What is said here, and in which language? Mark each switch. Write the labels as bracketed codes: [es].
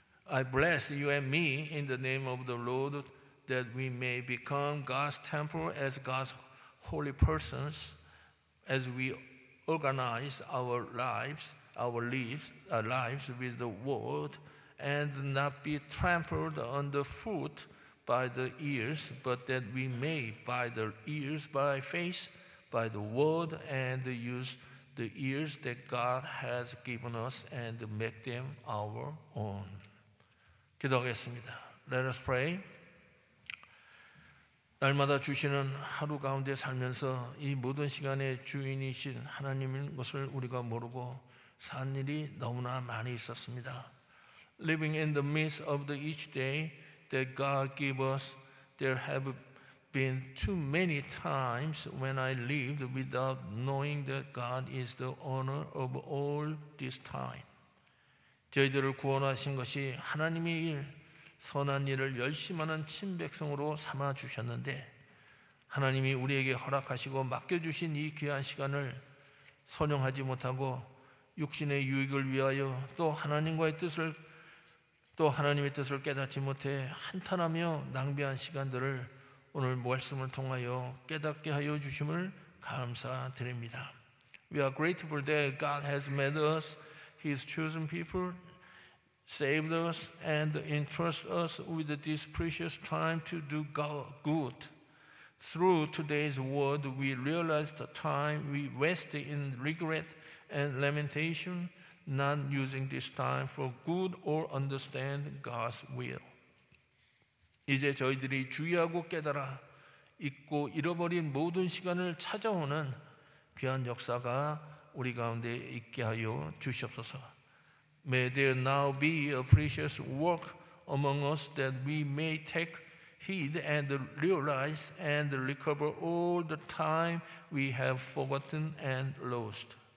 [en] I bless you and me in the name of the Lord that we may become God's temple as God's holy persons as we organize our lives with the word and not be trampled underfoot by the ears, but that we may, by the ears, by faith, by the word, and use the ears that God has given us and make them our own. [ko] 기도하겠습니다. [en] Let us pray. [ko] 날마다 주시는 하루 가운데 살면서 이 모든 시간에 주인이신 하나님인 것을 우리가 모르고 산 일이 너무나 많이 있었습니다. [en] Living in the midst of the each day that God gave us, there have been too many times when I lived without knowing that God is the owner of all this time. [ko] 저희들을 구원하신 것이 하나님의 일, 선한 일을 열심히 하는 친백성으로 삼아주셨는데 하나님이 우리에게 허락하시고 맡겨주신 이 귀한 시간을 선용하지 못하고 육신의 유익을 위하여 또 하나님과의 뜻을 또 하나님의 뜻을 깨닫지 못해 한탄하며 낭비한 시간들을 오늘 말씀을 통하여 깨닫게 하여 주심을 감사드립니다. [en] We are grateful that God has made us His chosen people, saved us, and entrusted us with this precious time to do good. Through today's word, we realize the time we waste in regret and lamentation, not using this time for good or understand God's will. [ko] 이제 저희들이 주의하고 깨달아 잊고 잃어버린 모든 시간을 찾아오는 귀한 역사가 우리 가운데 있게 하여 주시옵소서. [en] May there now be a precious work among us that we may take heed and realize and recover all the time we have forgotten and lost.